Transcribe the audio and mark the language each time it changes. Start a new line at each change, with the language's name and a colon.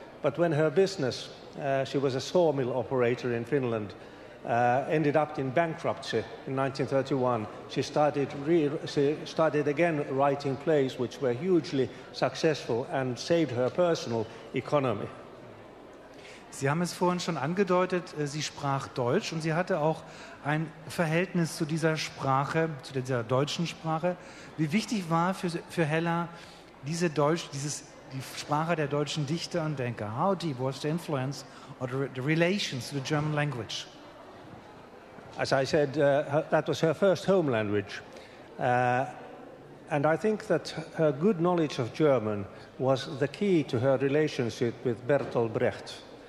English: But when her business, she was a sawmill operator in Finland, ended up in bankruptcy in 1931, she started again writing plays which were hugely successful and saved her personal economy.
German: Sie haben es vorhin schon angedeutet, sie sprach Deutsch und sie hatte auch ein Verhältnis zu dieser Sprache, zu dieser deutschen Sprache. Wie wichtig war für Hella diese Deutsch, dieses, die Sprache der deutschen Dichter und Denker?
English: How deep was the influence or the relations to the German language? As I said, that was her first home language. And I think that her good knowledge of German was the key to her relationship with Bertolt Brecht.